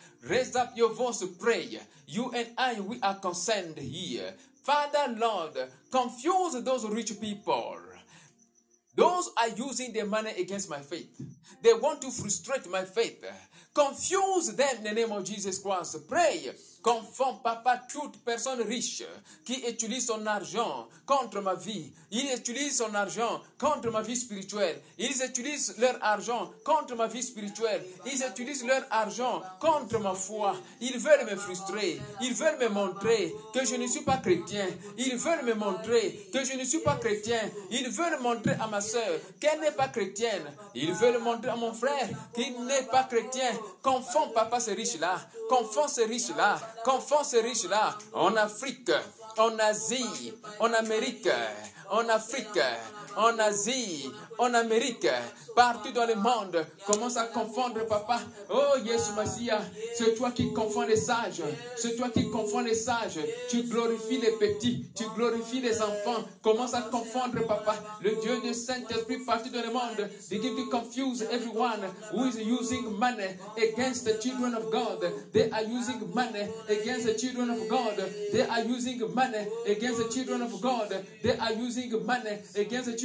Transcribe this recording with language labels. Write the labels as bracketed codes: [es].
[en] Raise up your voice to pray. You and I, we are concerned here. Father, Lord, confuse those rich people. Those are using their money against my faith. They want to frustrate my faith. Confuse them in the name of Jesus Christ. Pray. [fr] Confond, Papa, toute personne riche qui utilise son argent contre ma vie. Ils utilisent son argent contre ma vie spirituelle. Ils utilisent leur argent contre ma vie spirituelle. Ils utilisent leur argent contre ma foi. Ils veulent me frustrer. Ils veulent me montrer que je ne suis pas chrétien. Ils veulent me montrer que je ne suis pas chrétien. Ils veulent montrer à ma soeur qu'elle n'est pas chrétienne. Ils veulent montrer à mon frère qu'il n'est pas chrétien. Confond, Papa, ces riches-là. Confond ces riches-là. Confond ces riches-là en Afrique, en Asie, en Amérique, en Afrique, en Asie, en Amérique, partout dans le monde. Commence à confondre, Papa. Oh, Yeshua Messiah, c'est toi qui confonds les sages. C'est toi qui confonds les sages. Tu glorifies les petits, tu glorifies les enfants. Commence à confondre, Papa. Le Dieu du Saint-Esprit partout dans le monde. [en] Begin to confuse everyone who is using money against the children of God. They are using money against the children of God. They are using money against the children of God. They are using money against the children of God.